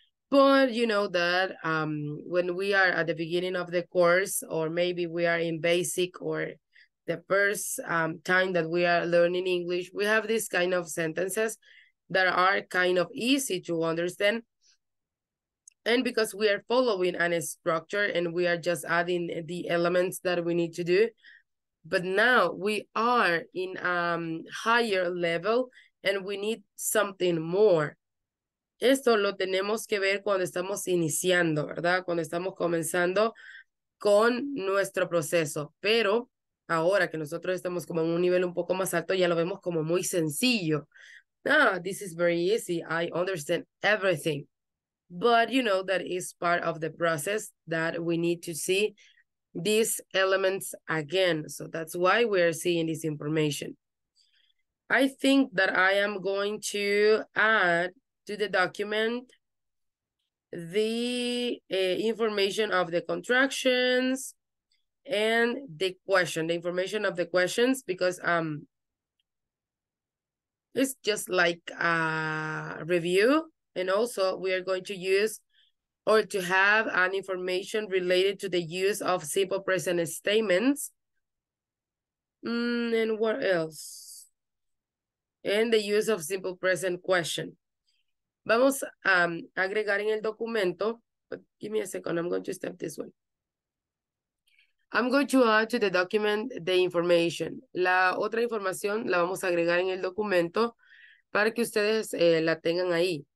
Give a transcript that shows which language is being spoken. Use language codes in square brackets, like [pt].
[en] But you know that when we are at the beginning of the course, or maybe we are in basic or the first time that we are learning English, we have these kind of sentences that are kind of easy to understand. And because we are following a structure and we are just adding the elements that we need to do. But now we are in a higher level and we need something more. [es] Esto lo tenemos que ver cuando estamos iniciando, ¿verdad? Cuando estamos comenzando con nuestro proceso. Pero ahora que nosotros estamos como en un nivel un poco más alto, ya lo vemos como muy sencillo. [en] Ah, this is very easy. I understand everything. But you know that is part of the process that we need to see these elements again. So that's why we're seeing this information. I think that I am going to add to the document the information of the contractions and the question, the information of the questions, because it's just like a review. And also we are going to use or to have an information related to the use of simple present statements. And what else? And the use of simple present question. [es] Vamos a agregar en el documento, [en] but give me a second, I'm going to step this one. I'm going to add to the document the information. [es] La otra información la vamos a agregar en el documento para que ustedes la tengan ahí.